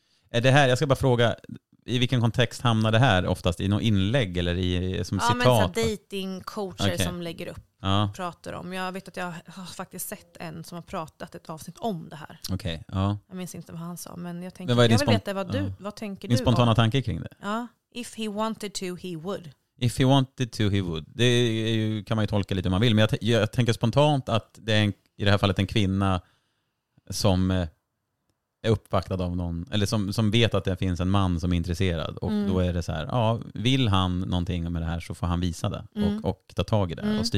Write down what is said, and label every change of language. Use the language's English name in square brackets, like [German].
[Swedish] Är det här, jag ska bara fråga, i vilken kontext hamnar det här oftast? I något inlägg eller som citat? Ja, men så datingcoacher som lägger upp och pratar om. Jag vet att jag har faktiskt sett en som har pratat ett avsnitt om det här. Okej, ja. Jag minns inte vad han sa, men jag tänker, men jag vill veta vad du, vad tänker du om? Min spontana tanke kring det. [English] Ja, if he wanted to, he would. If he wanted to, he would. [Swedish] Det ju, kan man ju tolka lite om man vill. Men jag tänker spontant att det är i det här fallet en kvinna som är uppvaktad av någon. Eller som vet att det finns en man som är intresserad. Och då är det så här, ja, vill han någonting med det här så får han visa det. Mm. Och ta tag i det.